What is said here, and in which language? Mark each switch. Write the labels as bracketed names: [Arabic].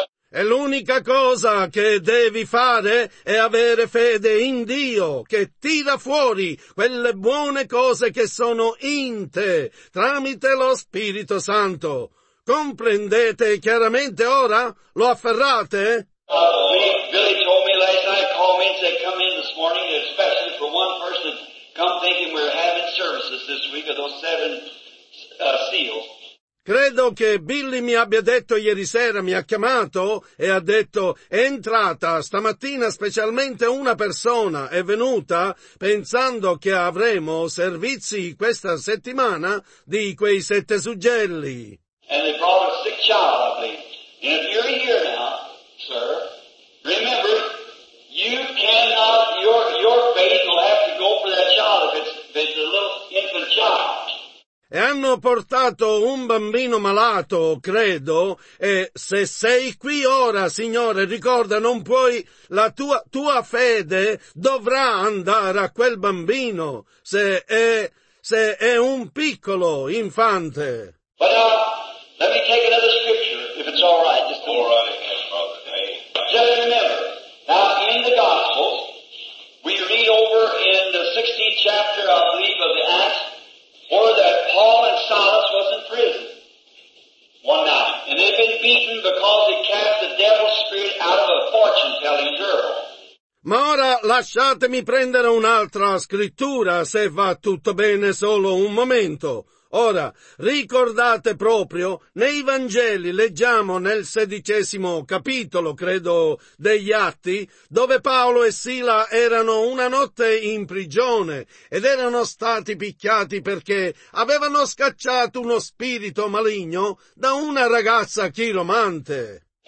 [Italian] E l'unica cosa che devi fare è avere fede in Dio, che tira fuori quelle buone cose che sono in te, tramite lo Spirito Santo. Comprendete chiaramente ora? Lo afferrate? [English] Billy told me last night, called me and said, come in this morning, especially for one person, come thinking we're having services this week of those seven seals. [Italian] Credo che Billy mi abbia detto ieri sera, mi ha chiamato e ha detto, è entrata stamattina specialmente una persona, è venuta pensando che avremo servizi questa settimana di quei sette suggelli. [English] And they brought a sick child, I believe. And if you're here now, sir, remember, you cannot, your faith will have to go for that child if it's a little infant child. [Italian] E hanno portato un bambino malato, credo, e se sei qui ora, Signore, ricorda, non puoi, la tua fede dovrà andare a quel bambino, se è un piccolo infante. [English] Well, let me take another scripture, if it's all right. Just all right, brother. Just remember, now in the Gospel, we read over in the 16th chapter, I believe, of the Acts, or that Paul and Silas was in prison one night, and they'd been beaten because they cast the devil's spirit out of a fortune-telling girl. [Italian] Ma ora lasciatemi prendere un'altra scrittura, se va tutto bene solo un momento. Ora, ricordate proprio, nei Vangeli leggiamo nel 16° capitolo, credo, degli Atti, dove Paolo e Sila erano una notte in prigione ed erano stati picchiati perché avevano scacciato uno spirito maligno da una ragazza chiromante.